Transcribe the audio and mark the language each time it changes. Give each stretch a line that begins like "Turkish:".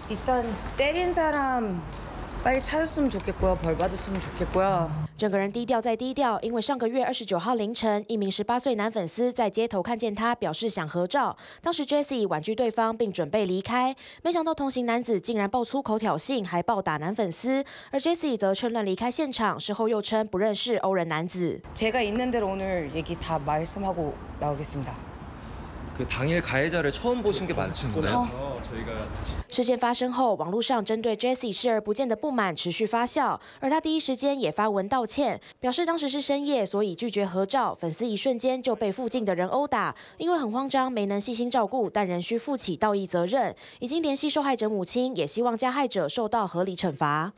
Korean: 일단때린사람빨리찾았으면좋겠고요벌받았으면좋겠고요
Chinese: 整个人低调再低调，因为上个月29号凌晨，一名18岁男粉丝在街头看见他，表示想合照。当时 Jessie 婉拒对方，并准备离开，没想到同行男子竟然爆粗口挑衅，还暴打男粉丝。而 Jessie 则趁乱离开现场，事后又称不认识欧人男子。
Korean: 제가있는대로오늘얘기다말씀하고나오겠습니다 그당일가해자를처음보신게맞으신가요저희가
Chinese: 事件发生后，网络上针对 Jessie 视而不见的不满持续发酵，而他第一时间也发文道歉，表示当时是深夜，所以拒绝合照。粉丝一瞬间就被附近的人殴打，因为很慌张，没能细心照顾，但仍需负起道义责任。已经联系受害者母亲，也希望加害者受到合理惩罚。